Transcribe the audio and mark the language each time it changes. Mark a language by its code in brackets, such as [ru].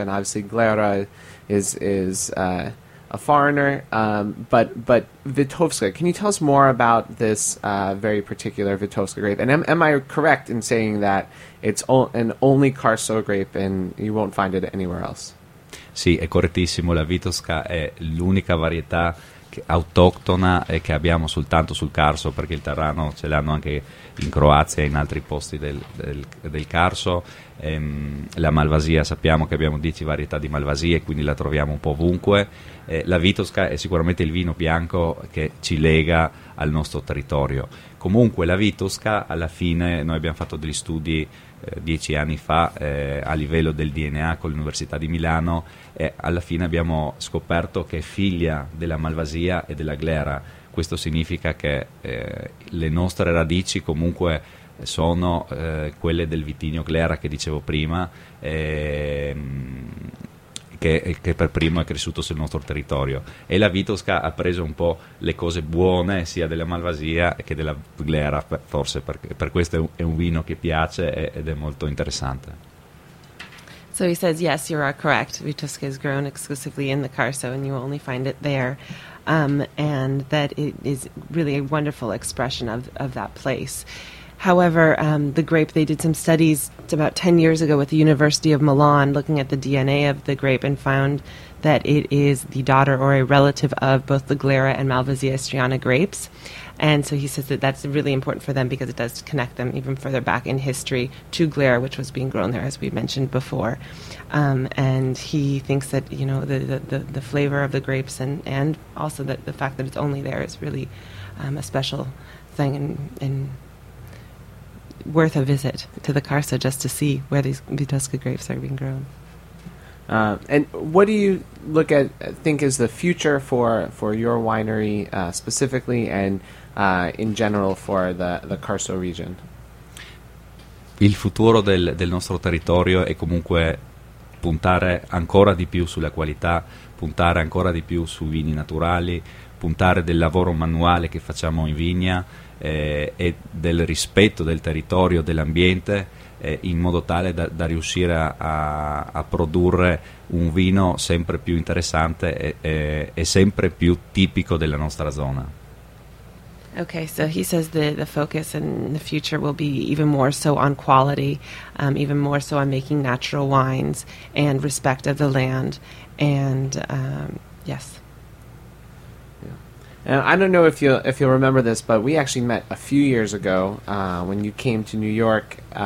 [en] And obviously Glera is a foreigner. But Vitovska, can you tell us more about this very particular Vitovska grape? And am I correct in saying that it's an only Carso grape and you won't find it anywhere else? [it] Sì, è correttissimo. La Vitovska è l'unica varietà autoctona e che abbiamo soltanto sul Carso, perché il Tarano ce l'hanno anche in Croazia e in altri posti del Carso. La Malvasia, sappiamo che abbiamo 10 varietà di Malvasia e quindi la troviamo un po' ovunque. La Vitovska è sicuramente il vino bianco che ci lega al nostro territorio. Comunque la Vitovska, alla fine, noi abbiamo fatto degli studi 10 anni fa a livello del DNA con l'Università di Milano, e alla fine abbiamo scoperto che è figlia della Malvasia e della Glera. Questo significa che le nostre radici comunque sono quelle del vitigno Glera che dicevo prima, che per primo è cresciuto sul nostro territorio, e la Vitovska ha preso un po' le cose buone sia della Malvasia che della Glera, forse per questo è un vino che piace ed è molto interessante. [en] So he says, yes, you are correct. Vitovska is grown exclusively in the Carso and you only find it there. And that it is really a wonderful expression of that place. However, the grape, they did some studies about 10 years ago with the University of Milan looking at the DNA of the grape and found that it is the daughter or a relative of both the Glera and Malvasia Istriana grapes. And so he says that that's really important for them because it does connect them even further back in history to Glera, which was being grown there, as we mentioned before. And he thinks that, you know, the flavor of the grapes and also that the fact that it's only there is really a special thing in worth a visit to the Carso just to see where these Vitovska grapes are being grown. And what do you think is the future for your winery specifically and in general for the Carso region? [it] Il futuro del nostro territorio è comunque puntare ancora di più sulla qualità, puntare ancora di più su vini naturali, puntare del lavoro manuale che facciamo in vigna e del rispetto del territorio, dell'ambiente, in modo tale da riuscire a produrre un vino sempre più interessante e sempre più tipico della nostra zona. [en] Okay, so he says the focus in the future will be even more so on quality, even more so on making natural wines and respect of the land, and yes. And I don't know if you'll remember this, but we actually met a few years ago when you came to New York.